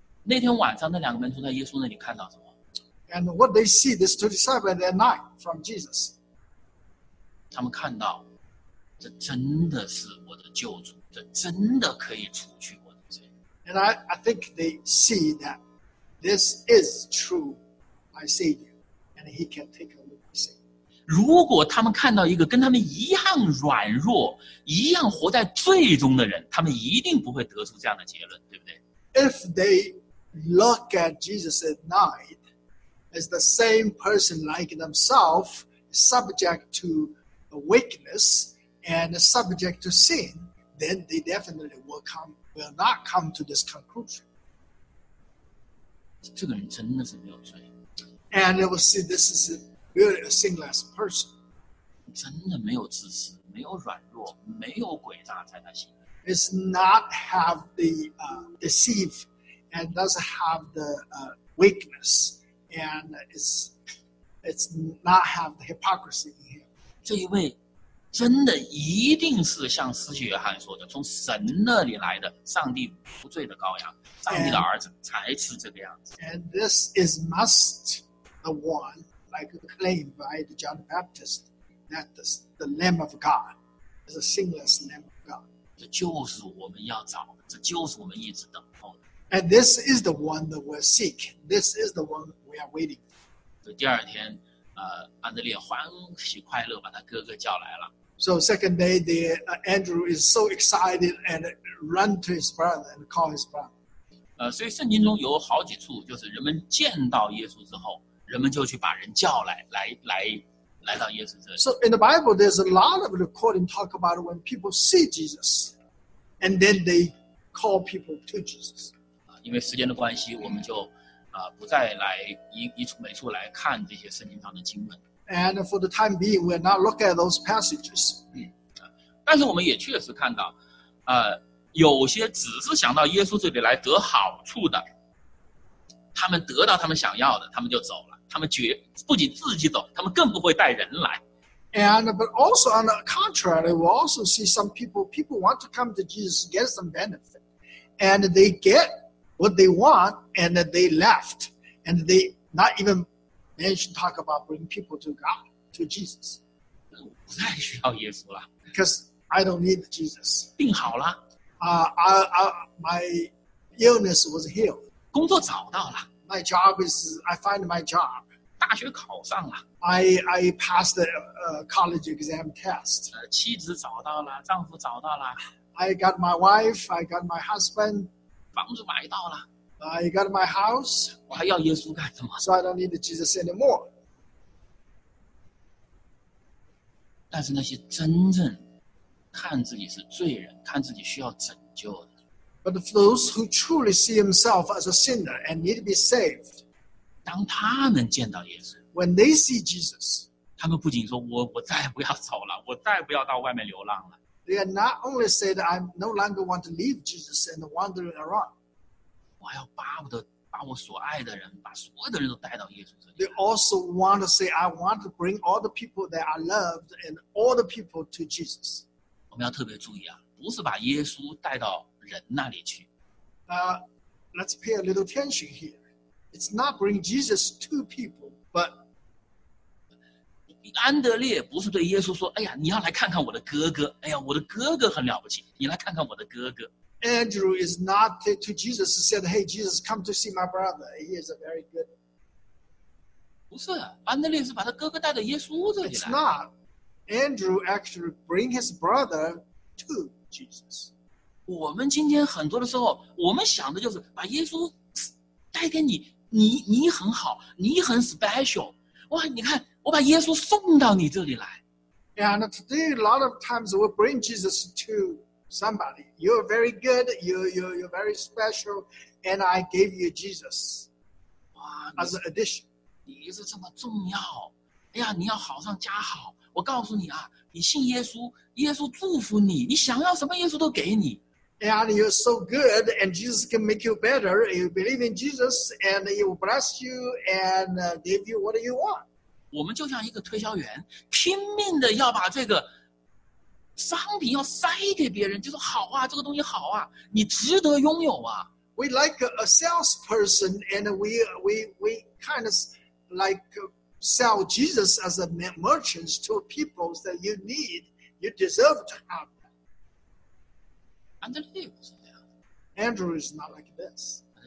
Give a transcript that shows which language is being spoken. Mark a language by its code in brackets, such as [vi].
[zh] 那天晚上，那两个门徒在耶稣那里看到什么 [en] And what they see, these two disciples, they're not from Jesus. [zh] 他们看到，这真的是我的救主，这真的可以除去我的罪。 [en] And I think they see that this is true, my Savior, and He can take away my sin. [zh] 如果他们看到一个跟他们一样软弱、一样活在罪中的人，他们一定不会得出这样的结论，对不对？ [en] If they look at Jesus at night as the same person like themselves, subject to weakness and subject to sin, then they definitely will not come to this conclusion. [zh] 这个人真的是没有罪。 [en] And they will see this is really a sinless person. [zh] 真的没有自私，没有软弱，没有诡诈在他心里。 [en] It's not have the deceive and doesn't have the weakness and it's not have the hypocrisy in him. [zh] 这一位真的一定是像司洗约翰说的，从神那里来的，上帝无罪的羔羊，上帝的儿子才是这个样子。 [en] And this is must the one like claimed by the John the Baptist that the Lamb of God is a sinless Lamb of God. [zh] 这就是我们要找的，这就是我们一直等候的。 [en] And this is the one that we seek. This is the one we are waiting for. [zh] 这第二天。安德烈欢喜快乐把他哥哥叫来了。 [en] So second day, Andrew is so excited and run to his brother and call his brother. [zh] 所以圣经中有好几处，就是人们见到耶稣之后，人们就去把人叫来，来到耶稣这里。 [en] So in the Bible, there's a lot of recording talk about when people see Jesus, and then they call people to Jesus. [zh] 因为时间的关系，我们就。不再来一处每处来看这些圣经上的经文。 [en] And for the time being, we're not looking at those passages. [zh] 但是我们也确实看到，有些只是想到耶稣这里来得好处的，他们得到他们想要的，他们就走了。他们不仅自己走，他们更不会带人来。 [en] And but also on the contrary, we also see some people want to come to Jesus to get some benefit, and they get. What they want, and they left, and they not even mention talk about bringing people to God, to Jesus. [zh] 我不再需要耶稣了 [en] Because I don't need Jesus. [zh] 病好了 [en] My illness was healed. [zh] 工作找到了 [en] My job is, I find my job. [zh] 大学考上了 [en] I passed the college exam test. [zh] 妻子找到了，丈夫找到了 [en] I got my wife, I got my husband. [zh] 房子买到了 [en] I got my house. [zh] 我还要耶稣干什么 [en] So I don't need Jesus anymore. [zh] 但是那些真正看自己是罪人，看自己需要拯救的 [en] But for those who truly see himself as a sinner and need to be saved, [zh] 当他们见到耶稣 [en] When they see Jesus, [zh] 他们不仅说我再不要走了，我再不要到外面流浪了。 [en] They are not only said, I no longer want to leave Jesus and wandering around. [zh] 我还要巴不得把我所爱的人，把所有的人都带到耶稣这里。 [en] They also want to say, I want to bring all the people that I loved and all the people to Jesus. [zh] 我们要特别注意啊，不是把耶稣带到人那里去。 [en] Let's pay a little attention here. It's not bring Jesus to people, but... [zh] 安德烈不是对耶稣说：“哎呀，你要来看看我的哥哥。哎呀，我的哥哥很了不起，你来看看我的哥哥。” [en] Andrew is not to Jesus said, "Hey, Jesus, come to see my brother. He is a very good." [zh] 不是，安德烈是把他哥哥带到耶稣这里来。 [en] It's not. Andrew actually bring his brother to Jesus. [zh] 我们今天很多的时候，我们想的就是把耶稣带给你，你很好，你很 special。哇，你看。我把耶稣送到你这里来。 [en] And today, a lot of times we bring Jesus to somebody. You're very good, you're very special, and I gave you Jesus as an addition. [zh] 你是这么重要。哎呀，你要好上加好。我告诉你啊，你信耶稣，耶稣祝福你，你想要什么耶稣都给你。 [en] And you're so good, and Jesus can make you better. You believe in Jesus, and he will bless you and give you what you want. [zh] 我们就像一个推销员，拼命的要把这个商品要塞给别人，就说好啊，这个东西好啊，你值得拥有啊。 [en] We like a salesperson, and we kind of like sell Jesus as a merchant to people that you need, you deserve to have that. Andrew is not like this.